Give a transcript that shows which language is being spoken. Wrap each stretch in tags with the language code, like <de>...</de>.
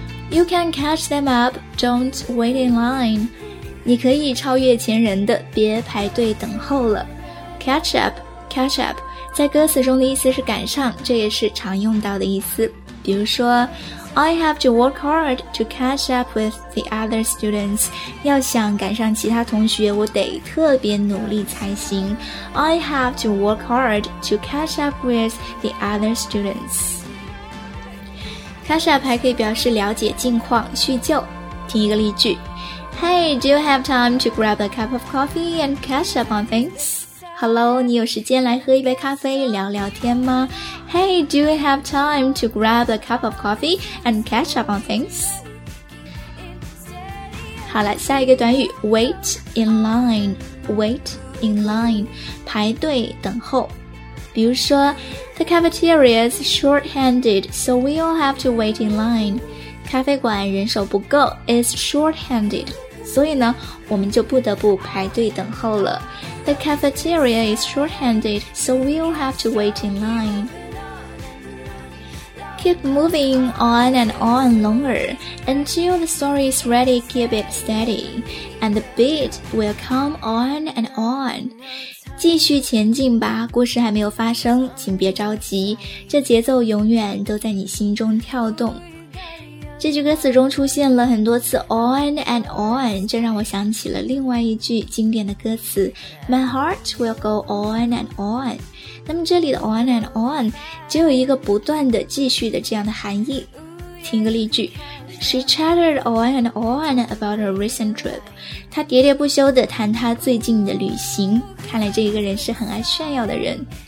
<en>You can catch them up, don't wait in line.</en> <zh>你可以超越前人的，别排队等候了。 Catch up, catch up, 在歌词中的意思是赶上，这也是常用到的意思。比如说</zh> <en>I have to work hard to catch up with the other students.</en> <zh>要想赶上其他同学，我得特别努力才行。</zh> <en>I have to work hard to catch up with the other students.</en> <zh>Catch up 还可以表示了解近况、叙旧。听一个例句</zh> <en>：Hey, do you have time to grab a cup of coffee and catch up on things? Hello,</en> <zh>你有时间来喝一杯咖啡聊聊天吗</zh> <en>？Hey, do you have time to grab a cup of coffee and catch up on things?</en> <zh>好了，下一个短语 ：wait in line. Wait in line， 排队等候。比如说</zh> <en>The cafeteria is short-handed, so we all have to wait in line.</en> <zh>咖啡馆人手不够</zh> <en>is short-handed,</en> <zh>所以呢我们就不得不排队等候了。</zh> <en>The cafeteria is short-handed, so we all have to wait in line. Keep moving on and on longer, until the story is ready, keep it steady, and the beat will come on and on.</en> <zh>继续前进吧，故事还没有发生，请别着急，这节奏永远都在你心中跳动。这句歌词中出现了很多次 on and on， 这让我想起了另外一句经典的歌词</zh> <en>My heart will go on and on。</en> <zh>那么这里的 on and on 只有一个不断的、继续的这样的含义。听个例句，</zh> <en>She chattered on and on about her recent trip.</en> <zh>她喋喋不休地谈她最近的旅行。看来这一个人是很爱炫耀的人。</zh>